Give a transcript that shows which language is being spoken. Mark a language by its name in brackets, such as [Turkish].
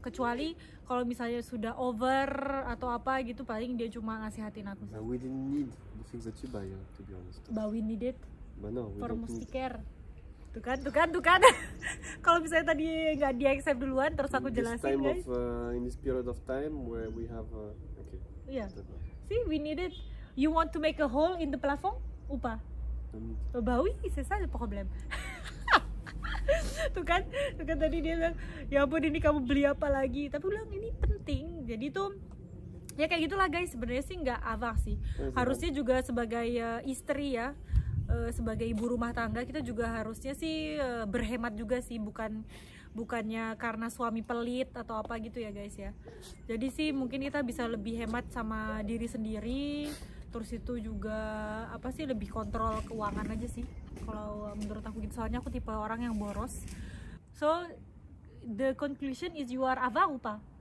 [Indonesian] Kecuali kalau misalnya sudah over atau apa gitu, paling dia cuma ngasihatin aku sih. [English] But we didn't need the things that you buy, to be honest. But we need it. But no, we for mustique care. [Indonesian] Tuh kan. Kalau misalnya tadi gak di accept duluan, terus aku jelasin [English] this time guys of, in this period of time where we have okay. Yeah. See, we need it. You want to make a hole in the plafond? [French] Upa? Bah oui, c'est ça le problème. [Indonesian] Tuh kan tadi dia bilang, ya ampun ini kamu beli apa lagi? Tapi bilang ini penting. Jadi tuh ya kayak gitulah guys, sebenarnya sih enggak apa sih. Harusnya juga sebagai istri ya, sebagai ibu rumah tangga, kita juga harusnya sih berhemat juga sih, bukannya karena suami pelit atau apa gitu ya guys ya. Jadi sih mungkin kita bisa lebih hemat sama diri sendiri. Terus itu juga apa sih, lebih kontrol keuangan aja sih kalau menurut aku gitu. Soalnya aku tipe orang yang boros. [English] So the conclusion is you are [Indonesian] apa upa?